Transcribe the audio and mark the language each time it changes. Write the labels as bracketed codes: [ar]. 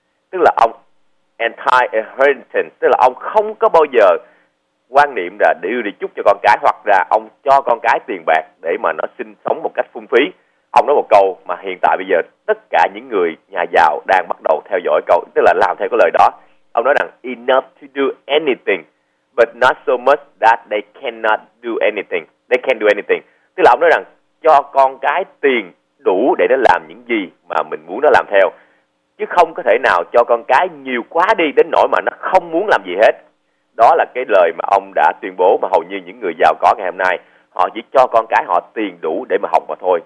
[vi] Tức là ông anti-inheritance, tức là ông không có bao giờ quan niệm là để đi chúc cho con cái, hoặc là ông cho con cái tiền bạc để mà nó sinh sống một cách phung phí. Ông nói một câu mà hiện tại bây giờ tất cả những người nhà giàu đang bắt đầu theo dõi câu, tức là làm theo cái lời đó. Ông nói rằng, [en] enough to do anything, but not so much that they cannot do anything. They can do anything. [vi] Tức là ông nói rằng, cho con cái tiền đủ để nó làm những gì mà mình muốn nó làm theo, chứ không có thể nào cho con cái nhiều quá đi đến nỗi mà nó không muốn làm gì hết. Đó là cái lời mà ông đã tuyên bố, mà hầu như những người giàu có ngày hôm nay, họ chỉ cho con cái họ tiền đủ để mà học mà thôi.